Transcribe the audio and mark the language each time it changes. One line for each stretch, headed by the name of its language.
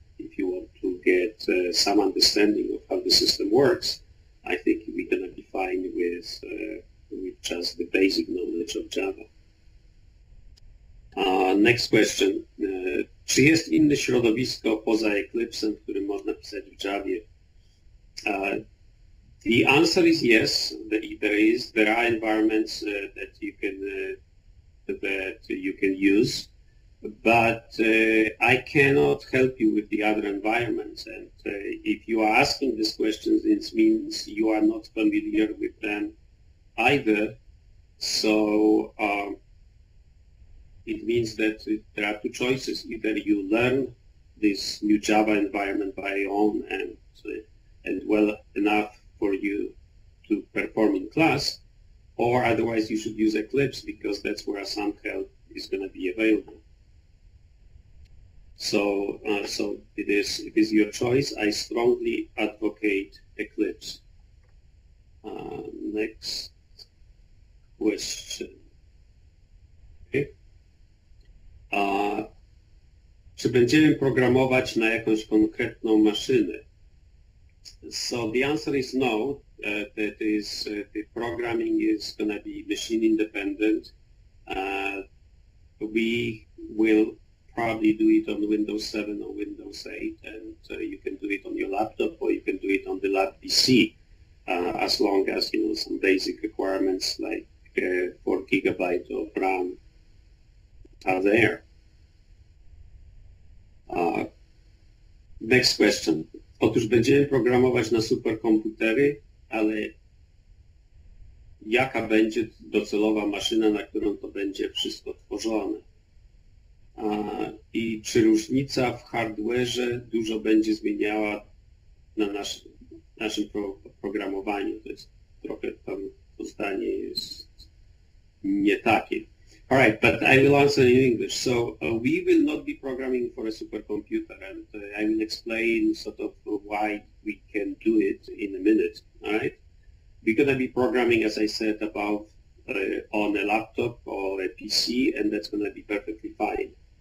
English: If you want to get some understanding of how the system works, I think we're going to be fine with just the basic knowledge of Java. Next question.
Polish: Czy jest inne środowisko poza Eclipse, w którym można pisać w Javie?
English: The answer is yes. There are environments that you can use, but I cannot help you with the other environments. And if you are asking these questions, it means you are not familiar with them either. So it means that there are two choices: either you learn this new Java environment by your own and well enough for you to perform in class, or otherwise you should use Eclipse, because that's where some help is going to be available. So it is your choice. I strongly advocate Eclipse. Next question.
Polish: Czy będziemy programować na jakąś konkretną maszynę?
English: So the answer is no. The programming is going to be machine independent. We will probably do it on Windows 7 or Windows 8, and you can do it on your laptop or you can do it on the lab PC, as long as you know some basic requirements like 4 GB of RAM are there. Next question.
Polish: Otóż będziemy programować na superkomputery, ale jaka będzie docelowa maszyna, na którą to będzie wszystko tworzone? I czy różnica w hardware'ze dużo będzie zmieniała na naszym programowaniu? To jest trochę tam, to zdanie jest nie takie.
English: All right, but I will answer in English. So we will not be programming for a supercomputer, and I will explain sort of why we can do it in a minute, all right? We're going to be programming, as I said above, on a laptop or a PC, and that's going to be perfectly fine.